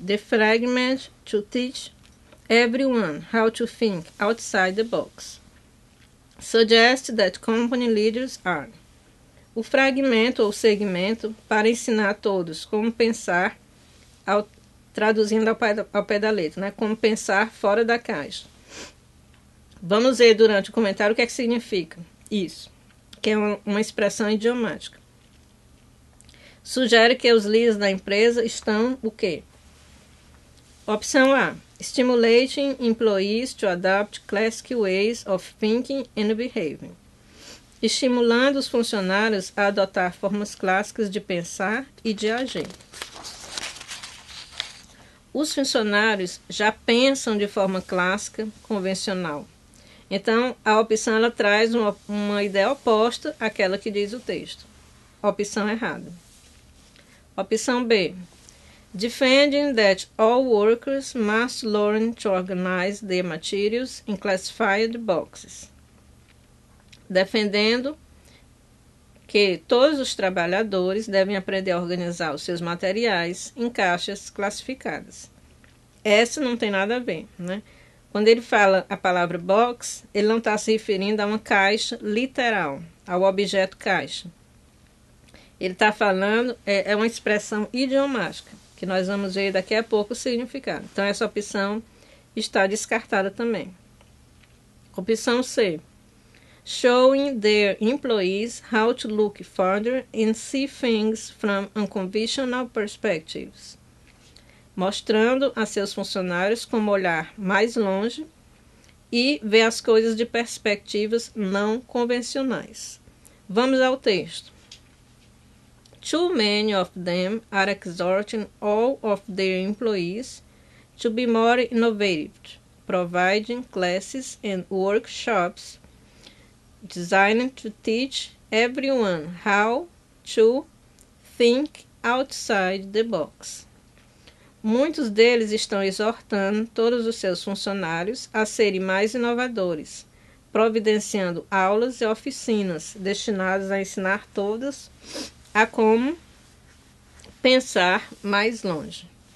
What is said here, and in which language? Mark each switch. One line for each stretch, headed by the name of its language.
English: The fragment to teach everyone how to think outside the box. Suggest that company leaders are.
Portuguese: O fragmento ou segmento para ensinar a todos como pensar, traduzindo ao pé da letra, né? Como pensar fora da caixa. Vamos ver durante o comentário o que é que significa isso, que é uma expressão idiomática. Sugere que os líderes da empresa estão o quê? Opção A.
English: Stimulating employees to adopt classic ways of thinking and behaving.
Portuguese: Estimulando os funcionários a adotar formas clássicas de pensar e de agir. Os funcionários já pensam de forma clássica, convencional. Então, a opção ela traz uma ideia oposta àquela que diz o texto. Opção errada. Opção B.
English: Defending that all workers must learn to organize their materials in classified boxes.
Portuguese: Defendendo que todos os trabalhadores devem aprender a organizar os seus materiais em caixas classificadas. Essa não tem nada a ver, né? Quando ele fala a palavra box, ele não está se referindo a uma caixa literal, ao objeto caixa. Ele está falando, é uma expressão idiomática, que nós vamos ver daqui a pouco o significado. Então, essa opção está descartada também. Opção C.
English: Showing their employees how to look further and see things from unconventional perspectives.
Portuguese: Mostrando a seus funcionários como olhar mais longe e ver as coisas de perspectivas não convencionais. Vamos ao texto.
English: Too many of them are exhorting all of their employees to be more innovative, providing classes and workshops designed to teach everyone how to think outside the box.
Portuguese: Muitos deles estão exortando todos os seus funcionários a serem mais inovadores, providenciando aulas e oficinas destinadas a ensinar todos a como pensar mais longe.